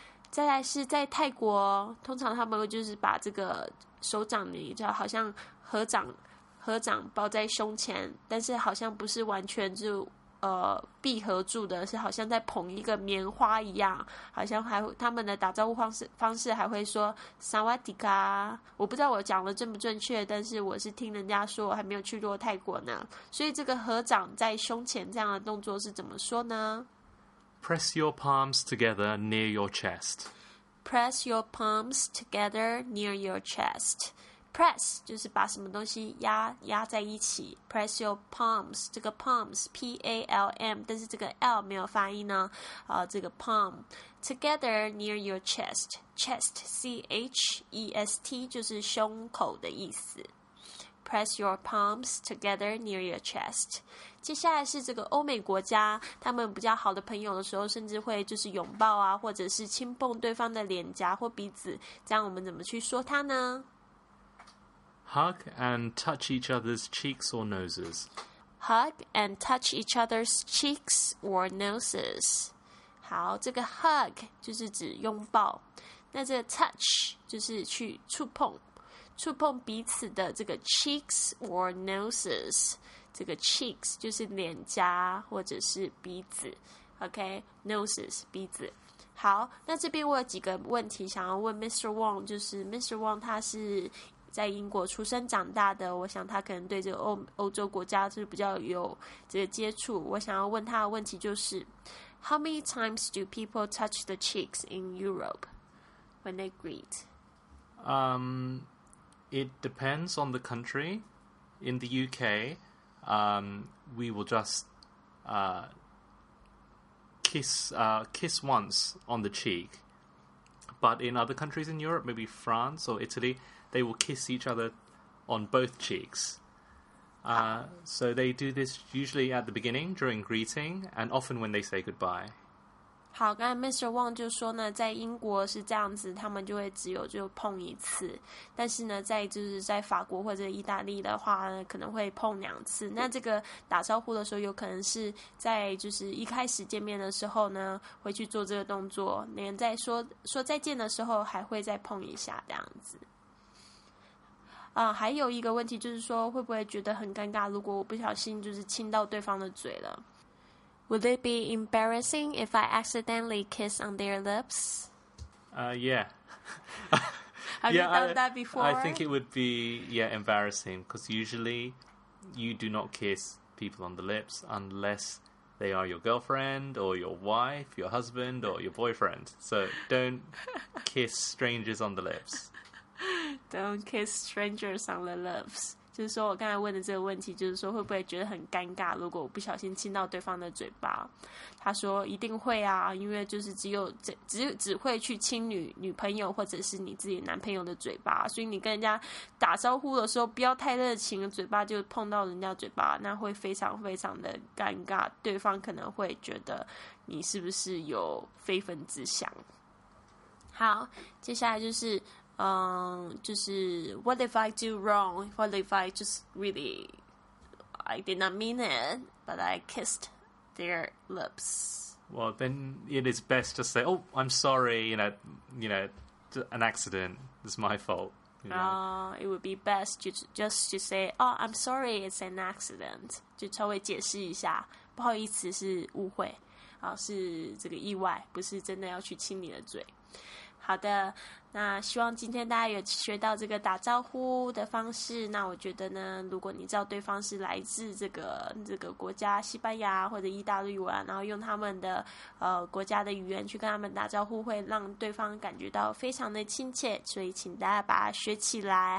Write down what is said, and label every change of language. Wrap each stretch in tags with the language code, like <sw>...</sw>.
<zh>再来是在泰国，通常他们就是把这个手掌，你知道，好像合掌抱在胸前，但是好像不是完全就闭合住的，是好像在捧一个棉花一样，好像还他们的打招呼方式还会说萨瓦迪卡，我不知道我讲的正不正确，但是我是听人家说，我还没有去过泰国呢，所以这个合掌在胸前这样的动作是怎么说呢？</zh> <en>Press your palms together near your chest. Press your palms together near your chest.</en> <zh>Press 就是把什么东西压在一起。</zh> <en>Press your palms.</en> <zh>这个 palms P A L M， 但是这个 L 没有发音呢。这个</zh> <en>palm together near your chest. Chest C H E S T</en> <zh>就是胸口的意思。</zh> <en>Press your palms together near your chest.</en> <zh>接下来是这个欧美国家，他们比较好的朋友的时候，甚至会就是拥抱啊，或者是轻碰对方的脸颊或鼻子，这样我们怎么去说它呢</zh> <en>？Hug and touch each other's cheeks or noses. Hug and touch each other's cheeks or noses.</en> <zh>好，这个 hug 就是指拥抱，那这个 touch 就是去触碰。触碰彼此的这个</zh> <en>cheeks or noses，</en> <zh>这个 cheeks 就是脸颊或者是鼻子 ，OK， noses 鼻子。好，那这边我有几个问题想要问 Mr. Wong， 就是 Mr. Wong 他是在英国出生长大的，我想他可能对这个欧洲国家是比较有这个接触。我想要问他的问题就是 ，</zh> <en>How many times do people touch the cheeks in Europe when they greet？ It depends on the country. In the UK, we will just kiss once on the cheek. But in other countries in Europe, maybe France or Italy, they will kiss each other on both cheeks. So they do this usually at the beginning during greeting and often when they say goodbye.</en> <zh>好，刚才 Mr. Wong 就说呢，在英国是这样子，他们就会只有就碰一次，但是呢，在就是在法国或者意大利的话呢，可能会碰两次。那这个打招呼的时候，有可能是在就是一开始见面的时候呢，会去做这个动作，连在说再见的时候，还会再碰一下这样子。啊，还有一个问题就是说，会不会觉得很尴尬？如果我不小心就是亲到对方的嘴了？</zh> <en>Would it be embarrassing if I accidentally kiss on their lips? Yeah. Have yeah, you done that before? I think it would be, yeah, embarrassing, because usually you do not kiss people on the lips unless they are your girlfriend or your wife, your husband or your boyfriend. So don't kiss strangers on the lips. Don't kiss strangers on the lips.</en> <zh>就是说我刚才问的这个问题，就是说会不会觉得很尴尬，如果我不小心亲到对方的嘴巴。他说一定会啊，因为就是只会去亲女朋友或者是你自己男朋友的嘴巴，所以你跟人家打招呼的时候不要太热情，嘴巴就碰到人家嘴巴，那会非常非常的尴尬，对方可能会觉得你是不是有非分之想。好，接下来就是就是</zh> <en>What if I do wrong? What if I just really I did not mean it, but I kissed their lips. Well, then it is best to say, oh, I'm sorry, you know, an accident. It's my fault. It would be best just to say, oh, I'm sorry, it's an accident.</en> <zh>就稍微解释一下，不好意思是误会，是这个意外，不是真的要去亲你的嘴。好的，那希望今天大家有学到这个打招呼的方式。那我觉得呢，如果你知道对方是来自这个国家西班牙或者意大利文，然后用他们的国家的语言去跟他们打招呼，会让对方感觉到非常的亲切，所以请大家把它学起来。</zh>